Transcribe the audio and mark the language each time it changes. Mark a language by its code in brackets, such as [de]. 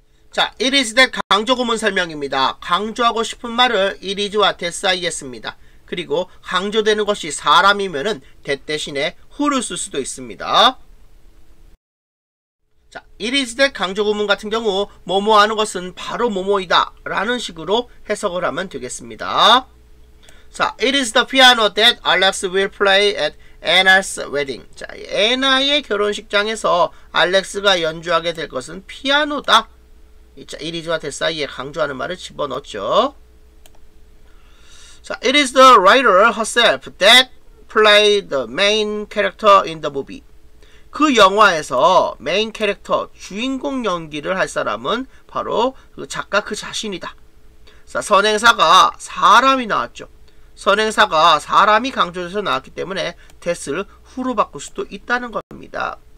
[ko] 자, [en] it is that [ko] 강조구문 설명입니다. 강조하고 싶은 말을 [en] it is [ko] 와 this 사이에 씁니다. 그리고 강조되는 것이 사람이면은 that 대신에 who를 쓸 수도 있습니다. 자, [en] it is that [ko] 강조구문 같은 경우 뭐뭐 하는 것은 바로 뭐뭐이다 라는 식으로 해석을 하면 되겠습니다. [en] 자, it is the piano that Alex will play at Anna's wedding. [ko] 자, Anna의 결혼식장에서 Alex가 연주하게 될 것은 피아노다. 자, [en] it is [ko] 와 that 사이에 강조하는 말을 집어넣죠. [en] 자, it is the writer herself that played the main character in the movie. [ko] 그 영화에서 메인 캐릭터, 주인공 연기를 할 사람은 바로 그 작가 그 자신이다. 자, 선행사가 사람이 나왔죠. 선행사가 사람이 강조돼서 나왔기 때문에 that을 who로 바꿀 수도 있다는 겁니다.